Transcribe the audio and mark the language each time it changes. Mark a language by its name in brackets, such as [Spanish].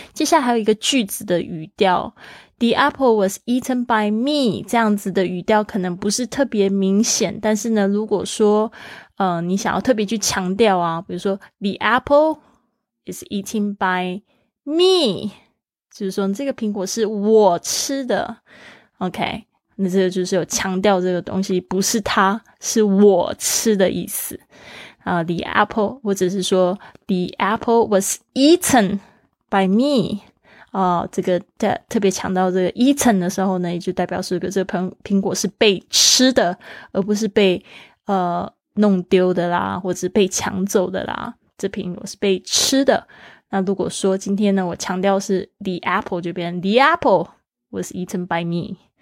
[Chinese] 接下来还有一个句子的语调， [English] The apple was eaten by me [Chinese] 这样子的语调可能不是特别明显，但是呢如果说你想要特别去强调啊，比如说 [English] The apple is eaten by me， [Chinese] 就是说这个苹果是我吃的。 OK， 那这个就是有强调这个东西不是它，是我吃的意思。 [English] The apple， [Chinese] 或者是说 [English] The apple was eaten by me， [Chinese] 这个特别强调这个 eaten 的时候呢，也就代表是这个苹果是被吃的，而不是被弄丢的啦，或者是被抢走的啦。这苹果是被吃的。那如果说今天呢，我强调是 the apple， 就变成 [English] the apple was eaten by me。